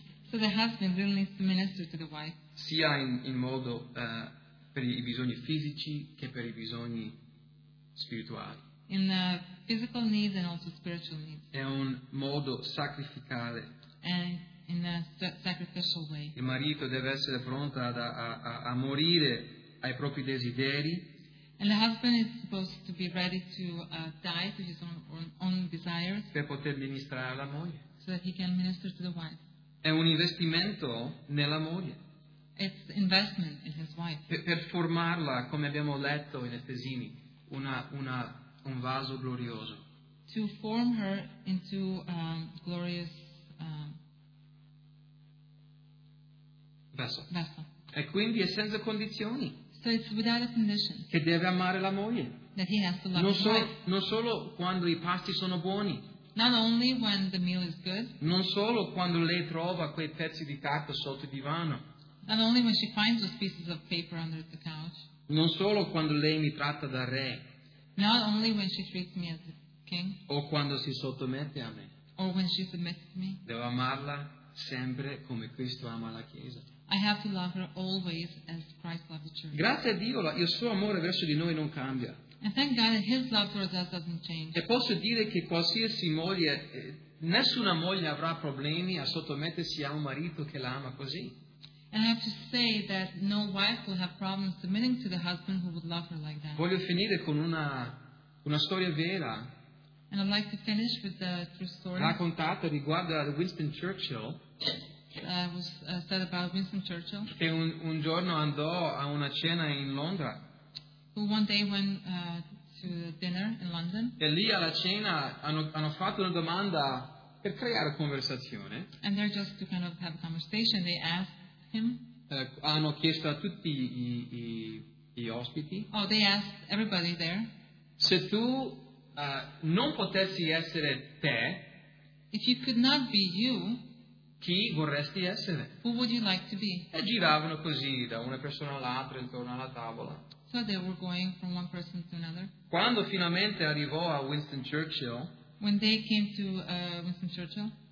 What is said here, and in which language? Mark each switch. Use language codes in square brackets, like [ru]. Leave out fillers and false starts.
[en] So the husband really needs to minister to the wife. [it] Sia in modo per I bisogni fisici che per I bisogni spirituali. [en] In the physical needs and also spiritual needs. [it] È un modo sacrificale. [en] And in a sacrificial way. [it] Il marito deve essere pronto a morire ai propri desideri. [en] And the husband is supposed to be ready to die to his own desires. [it] Per poter ministrare alla moglie. [en] So that he can minister to the wife. [it] È un investimento nella moglie. [en] It's investment in his wife. [it] Per formarla, come abbiamo letto in Efesini, un vaso glorioso. [en] To form her into glorious vessel. [it] E quindi è senza condizioni. [en] So it's without a condition. [it] Che deve amare la moglie. [en] That he has to love his wife. [it] Non solo quando I pasti sono buoni. [en] Not only when the meal is good. [it] Non solo quando lei trova quei pezzi di carta sotto il divano. [en] Not only when she finds those pieces of paper under the couch. [it] Non solo quando lei mi tratta da re. [en] Not only when she treats me as a king. [it] O quando si sottomette a me. [en] Or when she submits to me. [it] Devo amarla sempre come Cristo ama la Chiesa. [en] I have to love her always as Christ loved the church. [it] Grazie a Dio, il suo amore verso di noi non cambia. [en] And thank God that His love towards us doesn't change. [it] E posso dire che qualsiasi moglie, nessuna moglie avrà problemi a sottomettersi a un marito che la ama così. [en] And I have to say that no wife will have problems submitting to the husband who would love her like that. [it] Voglio finire con una storia vera. [en] And I'd like to finish with the true story. [it] Raccontata riguardo a Winston Churchill. [en] Was said about Winston Churchill. [it] Che un giorno andò a una cena in Londra. [en] one day went to dinner in London. [it] E lì alla cena hanno fatto una domanda per creare conversazione. [en] And they're just to kind of have a conversation. They asked him. [it] Hanno chiesto a tutti gli ospiti. [en] Oh, they asked everybody there. [it] Se tu non potessi essere te, [en] if you could not be you, [it] chi vorresti essere? [en] Who would you like to be? [it] E giravano così da una persona all'altra intorno alla tavola. [en] So they were going from one person to another. [it] Quando finalmente arrivò a Winston Churchill, [en] when they came to Winston Churchill,